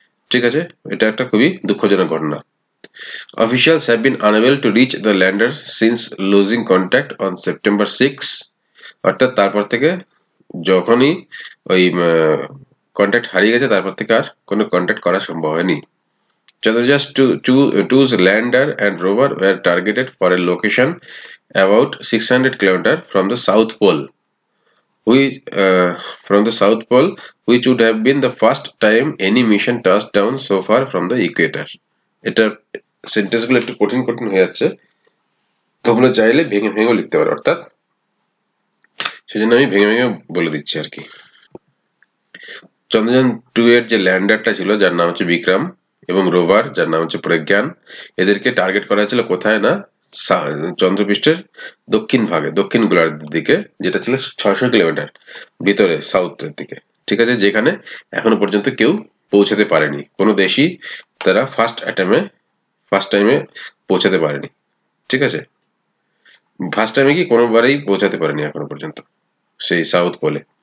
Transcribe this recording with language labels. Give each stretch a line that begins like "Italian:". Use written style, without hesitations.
Bangla: ঠিক আছে, এটা একটা খুবই দুঃখজনক ঘটনা।
English: officials have been unable to reach the lander since losing contact on September 6,
Bangla: অর্থাৎ তারপর থেকে যখনই ওই কন্ট্যাক্ট হারিয়ে গেছে তারপর থেকে আর কোনো কন্ট্যাক্ট করা সম্ভব হয়নি।
English: চন্দ্রযান 2'স lander and rover were targeted for a location about 600 kilometre from the south pole, Which from the South Pole, which would have been the first time any mission touched down so far from the equator.
Bangla: এটা sentence গুলো একটু কঠিন কঠিন হয়ে যাচ্ছে, তোমরা চাইলে ভেঙে ভেঙেও লিখতে পারো, অর্থাৎ সেজন্য আমি ভেঙে ভেঙে বলে দিচ্ছি আর কি। চন্দ্রযান টু এর যে ল্যান্ডারটা ছিল যার নাম হচ্ছে বিক্রম, এবং রোভার যার নাম হচ্ছে প্রজ্ঞান, এদেরকে টার্গেট করা ছিল কোথায় না, চন্দ্রপৃষ্ঠের দক্ষিণ ভাগে, দক্ষিণ গোলার্ধের দিকে, যেটা ছিল 600 কিলোমিটার ভিতরে সাউথের দিকে, ঠিক আছে, যেখানে এখনো পর্যন্ত কেউ পৌঁছাতে পারেনি, কোনো দেশই তারা ফার্স্ট অ্যাটেমে ফার্স্ট টাইমে পৌঁছাতে পারেনি, ঠিক আছে, ফার্স্ট টাইমে কি কোনোবারেই পৌঁছাতে পারেনি এখনো পর্যন্ত সেই সাউথ পোলে।